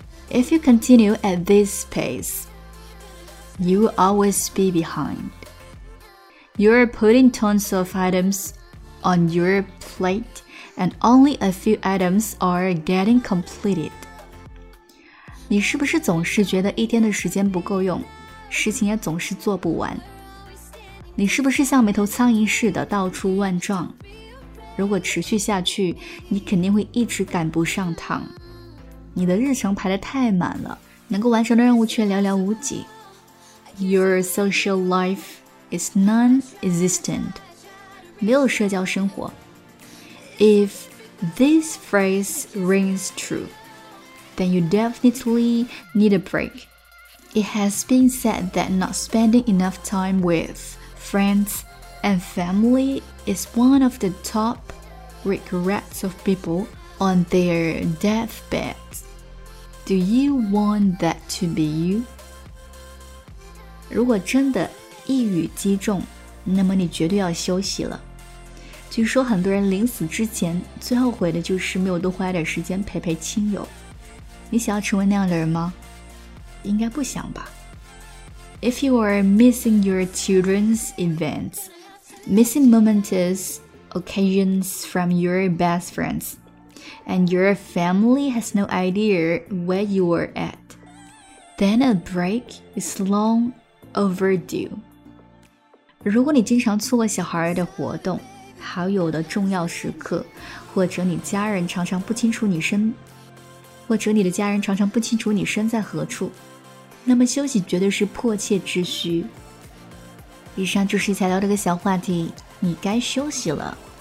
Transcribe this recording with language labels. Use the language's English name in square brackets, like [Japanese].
[English] If you continue at this pace, you will always be behind. You are putting tons of items on your plate, and only a few items are getting completed. [Chinese] 你是不是总是觉得一天的时间不够用，事情也总是做不完？你是不是像没头苍蝇似的到处乱撞？如果持续下去，你肯定会一直赶不上趟。你的日程排得太满了，能够完成的任务却寥寥无几。 [English] Your social life is non-existent， [Chinese] 没有社交生活。 [English] If this phrase rings true, then you definitely need a break. It has been said that not spending enough time with friends and family is one of the top regrets of people on their deathbeds. Do you want that to be you? [Chinese] 如果真的一语击中，那么你绝对要休息了。据说很多人临死之前最后悔的就是没有多花点时间陪陪亲友。你想要成为那样的人吗？应该不想吧。 [English] If you are missing your children's events, missing momentous occasions from your best friendsand your family has no idea where you are at, then a break is long overdue. [Chinese] 如果你经常错过小孩的活动，好友的重要时刻，或者你家人常常不清楚你身，或者你的家人常常不清楚你身在何处，那么休息绝对是迫切之需。以上就是材料这个小话题，你该休息了。